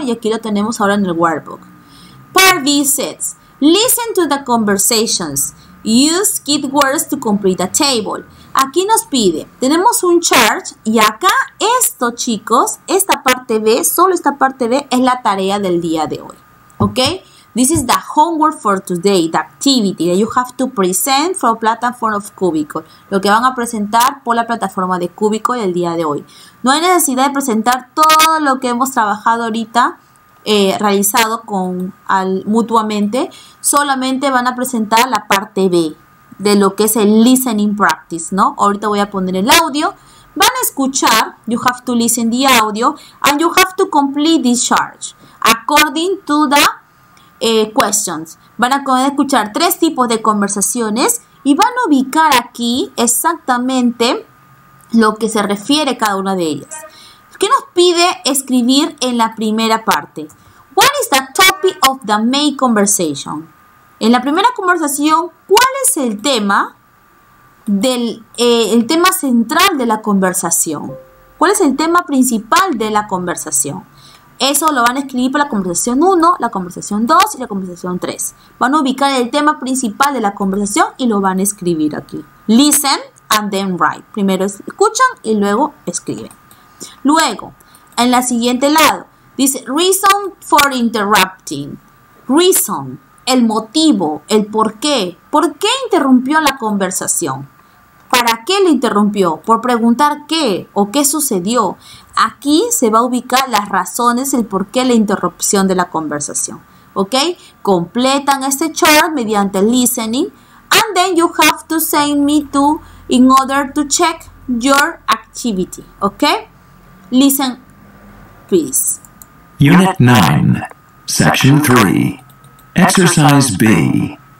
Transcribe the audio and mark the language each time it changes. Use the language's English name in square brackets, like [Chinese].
[Spanish] Y aquí lo tenemos ahora en el workbook. [English] Part B says, listen to the conversations. Use keywords to complete a table. [Spanish] Aquí nos pide, tenemos un chart y acá esto, chicos, esta parte B, solo esta parte B es la tarea del día de hoy. ¿Ok? [English] This is the homework for today, the activity that you have to present for a platform of Cubicle. [Spanish] Lo que van a presentar por la plataforma de Cubicle el día de hoy. No hay necesidad de presentar todo lo que hemos trabajado ahorita. Realizado con mutuamente, solamente van a presentar la parte B de lo que es el listening practice, ¿no? Ahorita voy a poner el audio, van a escuchar, [English] you have to listen the audio, and you have to complete this chart according to the questions. [Spanish] Van a escuchar tres tipos de conversaciones y van a ubicar aquí exactamente lo que se refiere cada una de ellas. ¿Qué nos pide escribir en la primera parte? [English] What is the topic of the main conversation? [Spanish] En la primera conversación, ¿cuál es el tema del el tema central de la conversación? ¿Cuál es el tema principal de la conversación? Eso lo van a escribir para la conversación 1, la conversación 2 y la conversación 3. Van a ubicar el tema principal de la conversación y lo van a escribir aquí. [English] Listen and then write. [Spanish] Primero escuchan y luego escriben. Luego, en la siguiente lado, dice [English] reason for interrupting. [Spanish] Reason, el motivo, el por qué. ¿Por qué interrumpió la conversación? ¿Para qué le interrumpió? ¿Por preguntar qué o qué sucedió? Aquí se va a ubicar las razones, el por qué la interrupción de la conversación. ¿Ok? Completan este chart mediante listening. [English] And then you have to send me to in order to check your activity. ¿Ok? Listen, please. Unit 9, Section 3, Exercise B.